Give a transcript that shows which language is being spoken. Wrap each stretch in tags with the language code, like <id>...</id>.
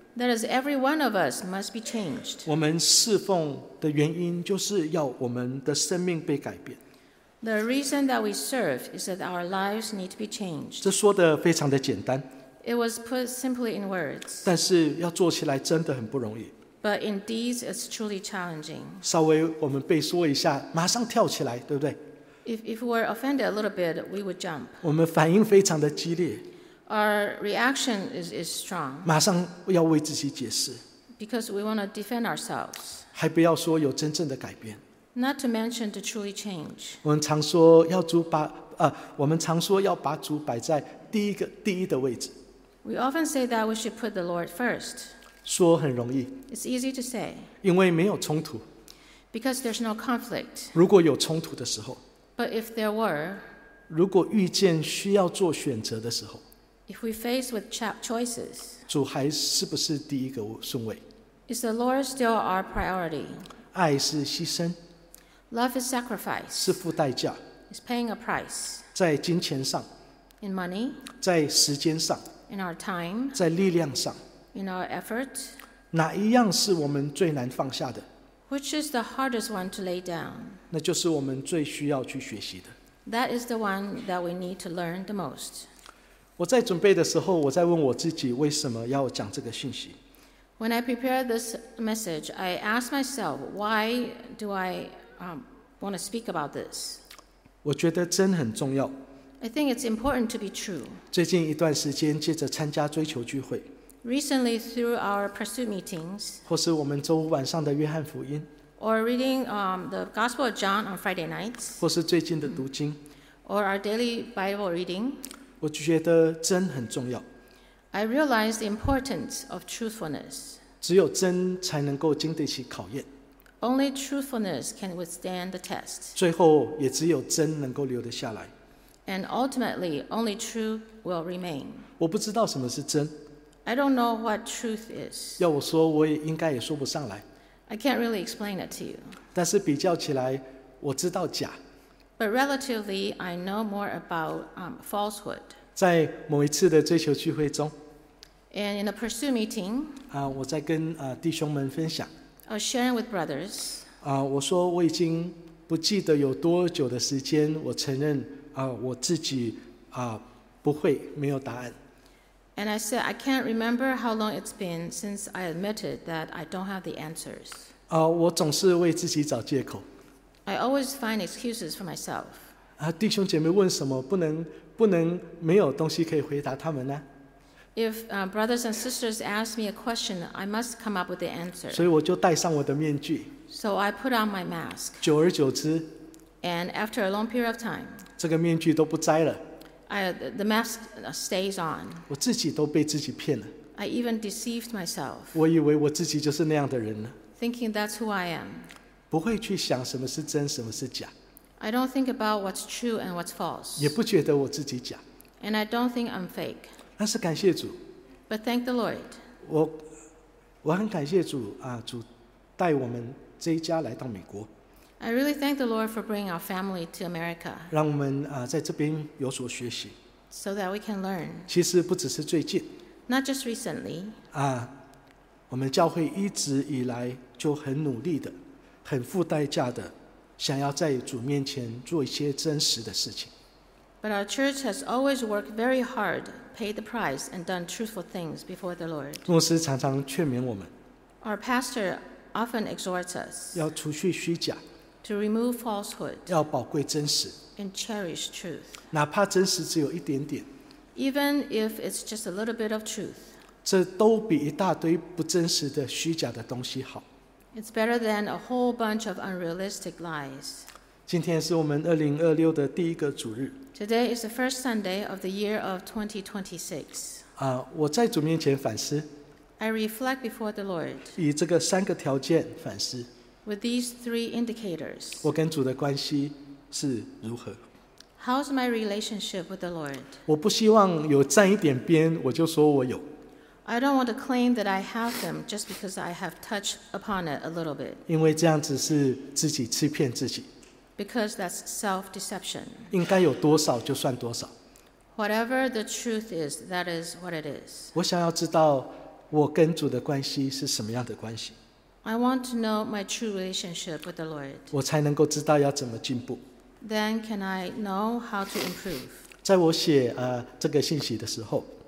<en>That is, every one of us must be changed.</en> <zh>我们侍奉的原因就是要我们的生命被改变。</zh> <en>The reason that we serve is that our lives need to be changed.</en> <zh>这说得非常的简单。</zh> <en>It was put simply in words.</en> <zh>但是要做起来真的很不容易。</zh> <en>But indeed, it's truly challenging.</en> <zh>稍微我们被说一下，马上跳起来，对不对？</zh> <en>If we were offended a little bit, we would jump.</en> <zh>我们反应非常的激烈。</zh> <en>Our reaction is strong.</en> <zh>马上要为自己解释。</zh> <en>Because we want to defend ourselves.</en> <zh>还不要说有真正的改变。</zh> <en>Not to mention to truly change.</en> <zh>我们常说要把主摆在第一的位置。</zh> <en>We often say that we should put the Lord first.</en> <zh>说很容易</zh> <en>It's easy to say.</en> <zh>因为没有冲突</zh> <en>Because there's no conflict.</en> <zh>如果有冲突的时候</zh> <en>But if there were,</en> <zh>如果遇见需要做选择的时候</zh> <en>If we face with choices,</en> <zh>主还是不是第一个顺位</zh> <en>Is the Lord still our priority?</en> <zh>爱是牺牲</zh> <en>Love is sacrifice.</en> <zh>是付代价</zh> <en>It's paying a price.</en> <zh>在金钱上</zh> <en>In money.</en> <zh>在时间上</zh> <en>In our time.</en> <zh>在力量上</zh> <en>in our effort?</en> <zh>哪一样是我们最难放下的？</zh> <en>Which is the hardest one to lay down?</en> <zh>那就是我们最需要去学习的。</zh> <en>That is the one that we need to learn the most.</en> <zh>我在准备的时候，我在问我自己为什么要讲这个信息。</zh> <en>When I prepare this message, I ask myself, why do I want to speak about this?</en> <zh>我觉得真很重要。</zh> <en>I think it's important to be true.</en> <zh>最近一段时间接着参加追求聚会。</zh> <en>Recently through our pursuit meetings.</en> <zh>或是我们周五晚上的约翰福音。</zh> <en>Or reading the Gospel of John on Friday nights.</en> <zh>或是最近的读经。</zh> <en>Or our daily Bible reading.</en> <zh>我觉得真很重要。</zh> <en>I realize the importance of truthfulness.</en> <zh>只有真才能够经得起考验。</zh> <en>Only truthfulness can withstand the test.</en> <zh>最后也只有真能够留得下来。</zh> <en>And ultimately, only truth will remain.</en> <zh>我不知道什么是真。</zh> <en>I don't know what truth is.</en> <zh>要我说，我也应该也说不上来。</zh> <en>I can't really explain it to you.</en> <zh>但是比较起来，我知道假。</zh> <en>But relatively, I know more about falsehood.</en> <zh>在某一次的追求聚会中。</zh> <en>And in a pursuit meeting.</en> <zh>我在跟弟兄们分享。</zh> <en>I was sharing with brothers.</en> <zh>我说我已经不记得有多久的时间，我承认。我自己不会，没有答案。</zh> <en>And I said, I can't remember how long it's been since I admitted that I don't have the answers.</en> <zh>我总是为自己找借口。</zh> <en>I always find excuses for myself.</en> <zh>弟兄姐妹问什么，不能没有东西可以回答他们呢？</zh> <en>If brothers and sisters ask me a question, I must come up with the answer.</en> <zh>所以我就戴上我的面具。</zh> <en>So I put on my mask.</en> <zh>久而久之。</zh> <en>And after a long period of time,</en> <zh>这个面具都不摘了。</zh> <en>The mask stays on.</en> <zh>我自己都被自己骗了。</zh> <en>I even deceived myself.</en> <zh>我以为我自己就是那样的人了。</zh> <en>Thinking that's who I am.</en> <zh>不会去想什么是真，什么是假。</zh> <en>I don't think about what's true and what's false.</en> <zh>也不觉得我自己假。</zh> <en>And I don't think I'm fake.</en> <zh>但是感谢主。</zh> <en>But thank the Lord.</en> <zh>我很感谢主啊，主带我们这一家来到美国。</zh> <en>I really thank the Lord for bringing our family to America.</en> <zh>让我们在这边有所学习。</zh> <en>So that we can learn.</en> <zh>其实不只是最近。</zh> <en>Not just recently.</en> <zh>我们教会一直以来就很努力的，很付代价的，想要在主面前做一些真实的事情。</zh> <en>But our church has always worked very hard, paid the price, and done truthful things before the Lord.</en> <zh>牧师常常劝勉我们。</zh> <en>Our pastor often exhorts us.</en> <zh>要除去虚假。</zh> <en>To remove falsehood,</en> <zh>要宝贵真实</zh> <en>and cherish truth.</en> <zh>哪怕真实只有一点点</zh> <en>even if it's just a little bit of truth,</en> <zh>这都比一大堆不真实的虚假的东西好</zh> <en>it's better than a whole bunch of unrealistic lies.</en> <zh>今天是我们2026的第一个主日</zh> <en>today is the first Sunday of the year of 2026.</en> <zh>我在主面前反思</zh> <en>I reflect before the Lord.</en> <zh>以这个三个条件反思</zh> <en>With these three indicators,</en> <zh>我跟主的关系是如何</zh> <en>How's my relationship with the Lord?</en> <zh>我不希望有沾一点边我就说我有</zh> <en>I don't want to claim that I have them just because I have touched upon it a little bit.</en> <zh>因为这样子是自己欺骗自己</zh> <en>Because that's self-deception.</en> <zh>应该有多少就算多少</zh> <en>Whatever the truth is, that is what it is.</en> <zh>我想要知道我跟主的关系是什么样的关系</zh> <en>I want to know my true relationship with the Lord.</en> <zh>我才能够知道要怎么进步。</zh> <en>Then can I know how to improve?</en> <zh>在我写这个信息的时候</zh>